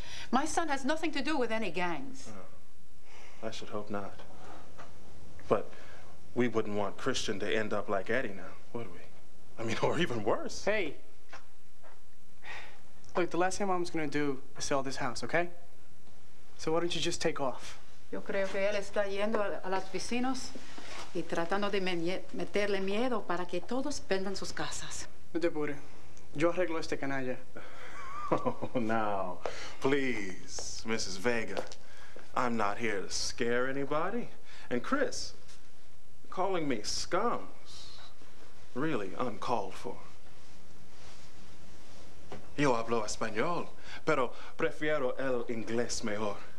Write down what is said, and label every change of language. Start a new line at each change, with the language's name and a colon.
English: My son has nothing to do with any gangs. Oh, I should hope not. But we wouldn't want Christian to end up like Eddie now, would we? I mean, or even worse. Hey. Look, the last thing Mom's gonna do is sell this house, okay? So why don't you just take off?
Spanish: Yo creo que él está yendo a los vecinos y tratando de meterle miedo para que todos vendan sus casas. No te apure. Yo arreglo este canalla.
English: Oh, now, please, Mrs. Vega. I'm not here to scare anybody. And Chris, calling me scum is really uncalled for.
Spanish: Yo hablo español, pero prefiero el inglés mejor.